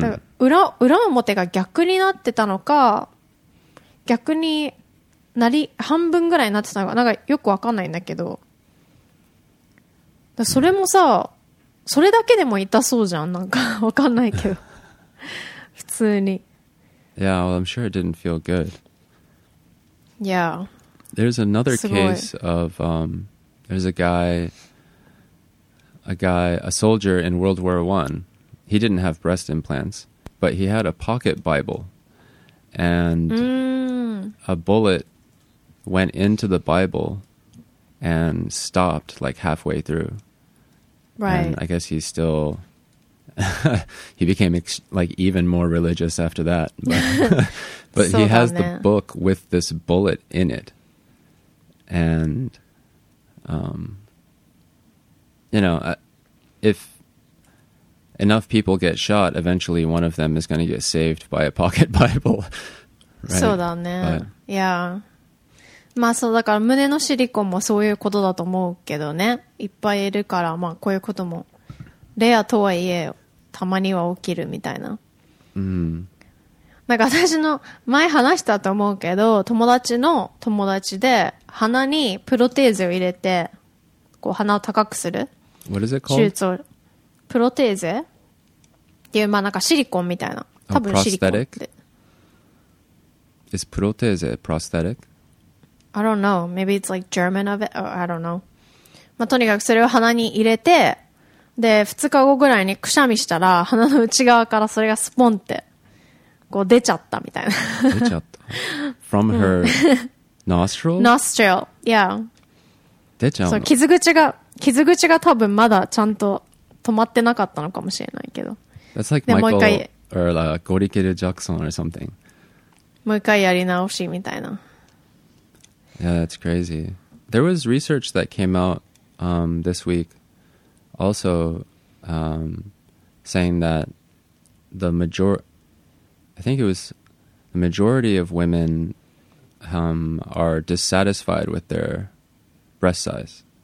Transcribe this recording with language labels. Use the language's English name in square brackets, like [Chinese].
[Japanese] だから 裏表が逆になってたのか、逆になり半分ぐらいになってたのか、なんかよく分かんないんだけど、だそれもさ、うん、それだけでも痛そうじゃん、なんか分かんないけど普通に、 [English] Yeah, well, I'm sure it didn't feel good. Yeah. There's another case of, there's a soldier in World War I. He didn't have breast implants, but he had a pocket Bible. And a bullet went into the Bible and stopped like halfway through. Right. And I guess he's still... he became like even more religious after that, but so he has the book with this bullet in it, and you know, if enough people get shot, eventually one of them is going to get saved by a pocket Bible. So [Japanese] だね. [English] Yeah. [Japanese] まあそうだから胸のシリコンもそういうことだと思うけどね。いっぱいいるからまあこういうこともレアとはいえよ。たまには起きるみたいな、なんか私の前話したと思うけど友達の友達で鼻にプロテーゼを入れてこう鼻を高くする [English] What is it called? [Japanese] 手術をプロテーゼっていうまあなんかシリコンみたいな多分シリコンって [English] Is プロテーゼ prosthetic? I don't know maybe it's like German of it or I don't know、 [Japanese] まあ、とにかくそれを鼻に入れてで2日後ぐらいにくしゃみしたら鼻の内側からそれがスポンってこう出ちゃったみたいな出ちゃった [English] from her nostril? nostril, yeah [Japanese] 出ちゃうのそう傷口が多分まだちゃんと止まってなかったのかもしれないけど [English] That's like Michael or like Gorikel Jackson or something [Japanese] もう一回やり直しみたいな [English] Yeah, that's crazy There was research that came out this weekAlso, saying that the majority of women are dissatisfied with their breast size.